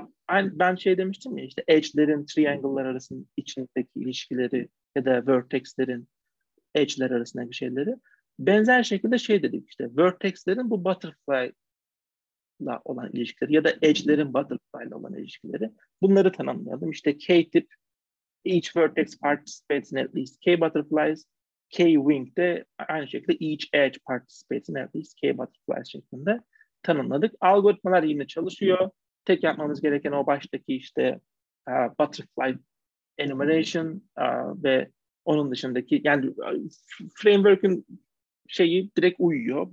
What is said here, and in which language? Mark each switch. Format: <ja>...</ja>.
<tr>Ben şey demiştim ya işte edge'lerin triangle'lar arasının içindeki ilişkileri ya da vertex'lerin edge'ler arasındaki şeyleri. Benzer şekilde şey dedik işte vertex'lerin bu butterfly'la olan ilişkileri ya da edge'lerin butterfly'la olan ilişkileri. Bunları tanımlayalım.</tr> <en>İşte K tip each vertex participates in at least K butterflies. K wing</en> <tr>de aynı şekilde</tr> <en>each edge participates in at least K butterflies</en> <tr>şeklinde tanımladık. Algoritmalar yine çalışıyor. Tek yapmamız gereken o baştaki işte butterfly enumeration ve onun dışındaki yani framework'ün şeyi direkt uyuyor.</tr>